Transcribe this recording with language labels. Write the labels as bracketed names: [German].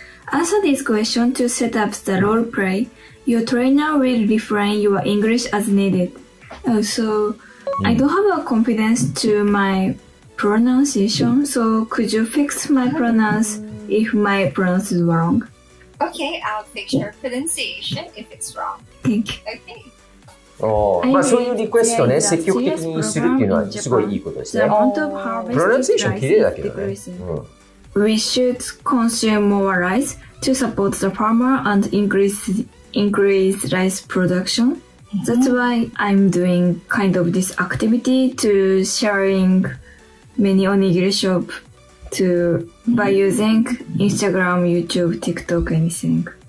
[English] Answer this question to set up the role play. Your trainer will refine your English as needed. So, I don't have a confidence to my pronunciation, so could you fix my pronunciation if my pronunciation is wrong? Okay, I'll fix your pronunciation if it's wrong. Thank you. Okay. [Japanese] まあ、そういうリクエストね、積極的にするっていうのはすごいいいことですね。プロナンセーション綺麗だけどね。 [English] We should consume more rice to support the farmer and increase rice production. That's why I'm doing kind of this activity to sharing many onigiri shop to by using Instagram, YouTube, TikTok, anything.